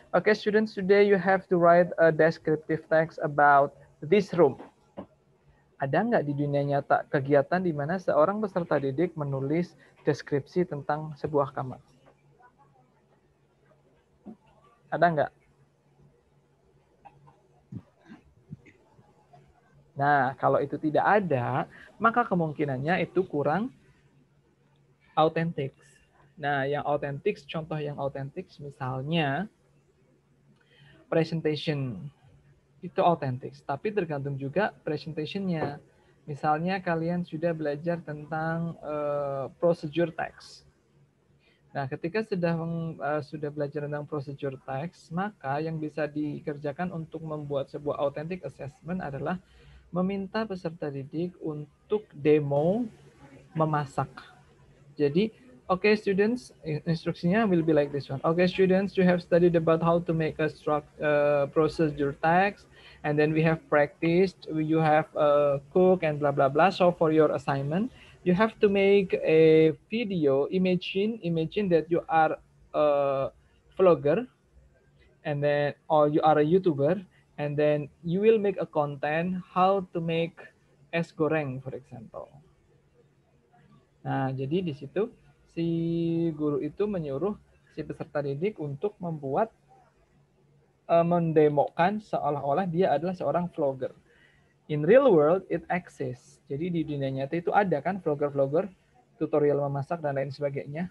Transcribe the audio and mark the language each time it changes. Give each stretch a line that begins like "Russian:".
English: Okay, students, today you have to write a descriptive text about this room.
Indonesian: Ada nggak di dunia nyata kegiatan di mana seorang peserta didik menulis deskripsi tentang sebuah kamar? Ada nggak? Nah, kalau itu tidak ada, maka kemungkinannya itu kurang authentic. Nah, yang authentic, contoh yang authentic misalnya presentation itu authentic, tapi tergantung juga presentation-nya. Misalnya kalian sudah belajar tentang procedure text. Nah, ketika sudah belajar tentang procedure text, maka yang bisa dikerjakan untuk membuat sebuah authentic assessment adalah meminta peserta didik untuk demo memasak. Jadi,
English: okay students,
Indonesian: instruksinya
English: will be like this one. Okay students, you have studied about how to make a procedure text, and then we have practiced, you have a cook and blah blah blah. So for your assignment, you have to make a video. Imagine that you are a vlogger, and then, or you are a YouTuber, and then you will make a content how to make es goreng, for example.
Indonesian: Nah, jadi di situ si guru itu menyuruh si peserta didik untuk membuat, mendemokan seolah-olah dia adalah seorang vlogger.
English: In real world, it exists.
Indonesian: Jadi di dunia nyata itu ada kan vlogger-vlogger, tutorial memasak dan lain sebagainya.